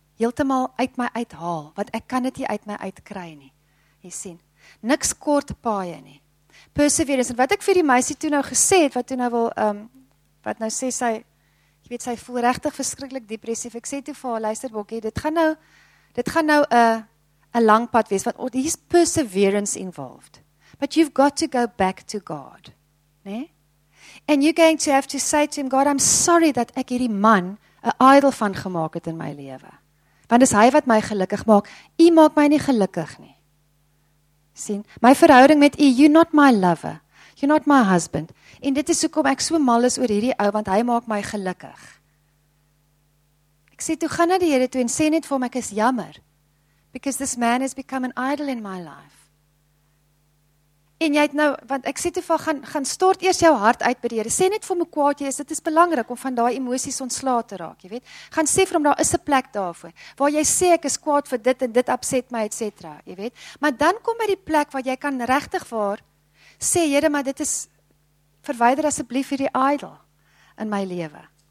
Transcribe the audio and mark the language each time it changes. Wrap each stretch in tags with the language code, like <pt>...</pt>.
<af>Heeltemal uit my uithaal, want ek kan dit nie uit my uitkry nie. Jy sien, niks kort paaie nie. Perseverance, en wat ek vir die meisie toe nou gesê het, wat toe nou wil, wat nou sê sy, jy weet sy voel regtig verskriklik depressief. Ek sê toe vir haar, luister Bokkie, dit gaan nou 'n lang pad wees, want hier's perseverance involved.</af> <en>But you've got to go back to God. Nee? And you're going to have to say to him, God, I'm sorry that</en> <af>ek hierdie man 'n idol van gemaak het in my lewe. Want dis hy wat my gelukkig maak. U maak my nie gelukkig nie. Sien? My verhouding met u,</af> <en>you're not my lover. You're not my husband.</en> <af>En dit is hoekom ek so mal is oor hierdie ou, want hy maak my gelukkig. Ek sê toe, gaan na die Here toe en sê net vir hom, ek is jammer.</af> <en>Because this man has become an idol in my life.</en> <af>En jy het nou, want ek sê toe van, gaan stort eers jou hart uit by die Here. Sê net vir my kwaad jy is, dit is belangrik om van daai emosies ontslae te raak, jy weet. Gaan sê vir hom, daar is 'n plek daarvoor. Waar jy sê, ek is kwaad vir dit en dit upset my, et cetera, jy weet. Maar dan kom by die plek waar jy kan regtig waar, sê Here, maar dit is, verwyder asseblief hierdie idol in my lewe.</af>